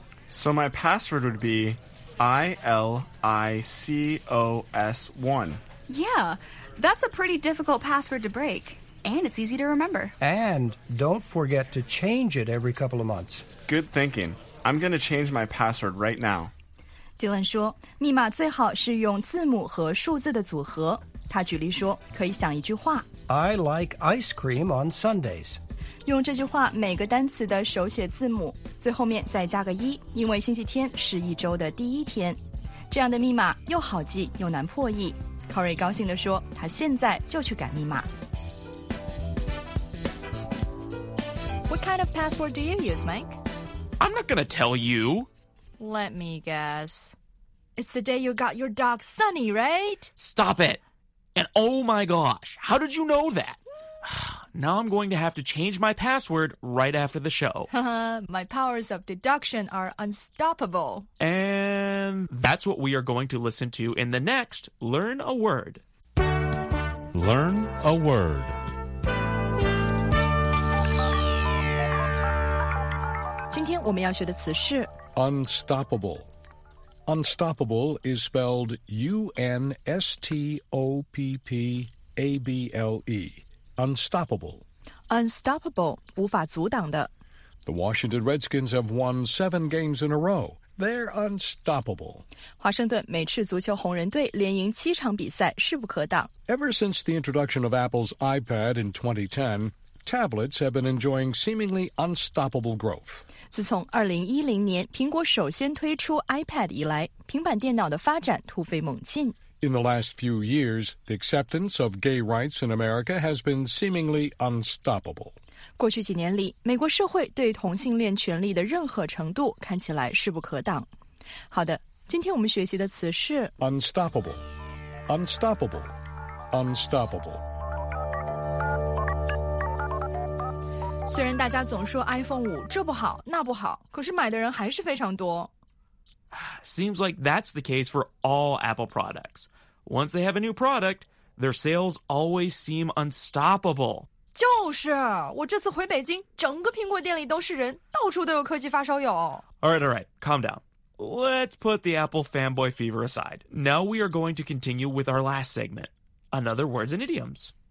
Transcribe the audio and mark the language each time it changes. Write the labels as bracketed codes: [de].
[en] So my password would be ILICOS1. Yeah, that's a pretty difficult password to break, and it's easy to remember. And don't forget to change it every couple of months. Good thinking. I'm going to change my password right now. [zh] Dylan 说，密码最好是用字母和数字的组合。他举例说，可以想一句话 [en] I like ice cream on Sundays. [zh] 用这句话每个单词的手写字母，最后面再加个一，因为星期天是一周的第一天。这样的密码又好记又难破译。Corey 高兴地说，他现在就去改密码。 [en] What kind of password do you use, Mike? I'm not going to tell you. Let me guess. It's the day you got your dog Sunny, right? Stop it! And oh my gosh, how did you know that? Now I'm going to have to change my password right after the show. My powers of deduction are unstoppable. And that's what we are going to listen to in the next Learn a Word. Learn a Word. [zh] 今天我们要学的词是 [en] Unstoppable. Unstoppable is spelled U-N-S-T-O-P-P-A-B-L-E. Unstoppable. Unstoppable, [zh] 无法阻挡的 [en] The Washington Redskins have won 7 games in a row. They're unstoppable. [zh] 华盛顿美式足球红人队连赢七场比赛势不可挡 [en] Ever since the introduction of Apple's iPad in 2010,Tablets have been enjoying seemingly unstoppable growth. [zh] 自从2010年苹果首先推出 iPad 以来，平板电脑的发展突飞猛进。 [en] In the last few years, the acceptance of gay rights in America has been seemingly unstoppable. [zh] 过去几年里，美国社会对同性恋权利的任何程度看起来势不可挡。好的，今天我们学习的词是 [en] unstoppable, unstoppable, unstoppable. [zh] 虽然大家总说 iPhone 5这不好那不好，可是买的人还是非常多。 [en] Seems like that's the case for all Apple products. Once they have a new product, their sales always seem unstoppable. [zh] 就是，我这次回北京，整个苹果店里都是人，到处都有科技发烧友。 [en] All right, calm down. Let's put the Apple fanboy fever aside. Now we are going to continue with our last segment, another words and idioms.